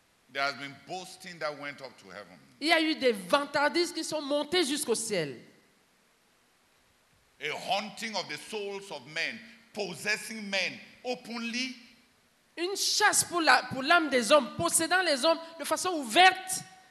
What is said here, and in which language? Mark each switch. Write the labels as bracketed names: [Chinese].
[English] There has been boasting that went up to heaven. [French] Il y a eu des vantardises qui sont montées jusqu'au ciel. [English] A haunting of the souls of men, possessing men openly. [French] Une chasse pour l'âme des hommes, possédant les hommes de façon ouverte.